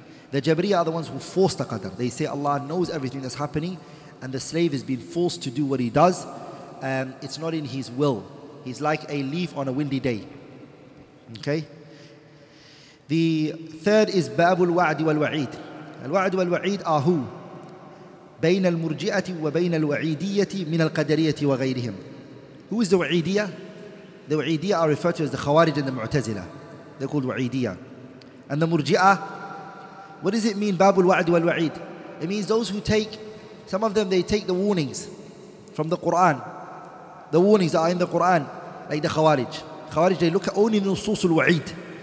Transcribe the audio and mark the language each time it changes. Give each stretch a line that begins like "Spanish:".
English: The Jabariyah are the ones who force the Qadr. They say Allah knows everything that's happening and the slave is being forced to do what he does and it's not in his will. He's like a leaf on a windy day. Okay? The third is Bab al-Wa'd wal-Wa'id. Al-Wa'd wal-Wa'id are who?
Arabic: بين المرجئة وبين الوعيدية من القدرية وغيرهم.
English: Who is the wa'idiyah? The Wa'idiyya are referred to as the Khawarij and the Mu'tazila. They're called Wa'idiyya. And the Murji'ah, what does it mean, Babul Wa'd wal Wa'id? It means those who take, some of them, they take the warnings from the Qur'an. The warnings that are in the Qur'an, like the Khawarij. Khawarij, they look at only the Nususul Wa'id.